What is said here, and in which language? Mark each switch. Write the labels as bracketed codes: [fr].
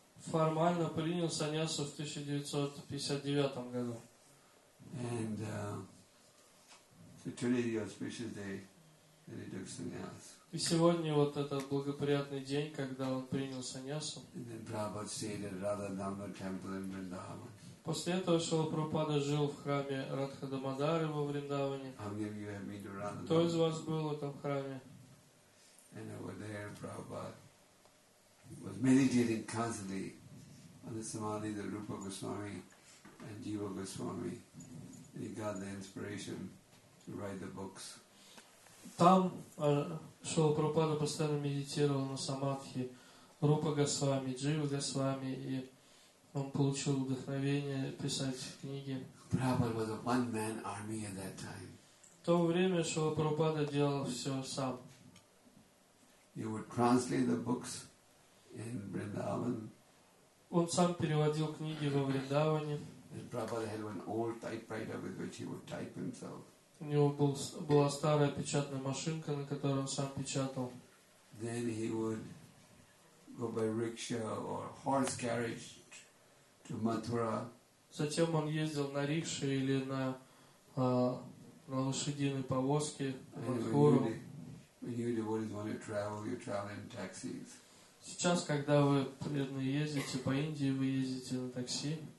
[ru] Формально принял саньясу в 1959 году. [en] And so today is the auspicious day that he took sannyas. [ru] И сегодня вот этот благоприятный день, когда он принял саньясу. [en] And then Prabhupada stayed at Radha Dhamma Temple in Vrindavan. [ru] После этого Шрила Прабхупада жил в храме Радха Дамодары во Вриндаване. Кто из вас был в этом храме? [en] And over there Prabhupada was meditating constantly on the samadhi of Rupa Goswami and Jiva Goswami. And he got the inspiration to write the books. [ru] Там Шрила Прабхупада постоянно медитировал на самадхи Рупа Госвами, Джива Госвами, и он получил вдохновение писать книги. [en] Prabhupada was a one-man army at that time. [ru] В то время Шрила Прабхупада делал все сам. [en] He would translate the books in Vrindavan. [ru] Он сам переводил книги во Вриндаване. [en] And Prabhupada had an old typewriter with which he would type himself. [ru] У него была старая печатная машинка, на которой он сам печатал. [en] Then he would go by rickshaw or horse carriage to Mathura. [ru] Затем он ездил на рикше или на лошадиной повозке в Мадхуру. [en] When you devotees want to travel, you travel in taxis. [ru] Сейчас, когда вы преданные ездите по Индии, вы ездите на такси.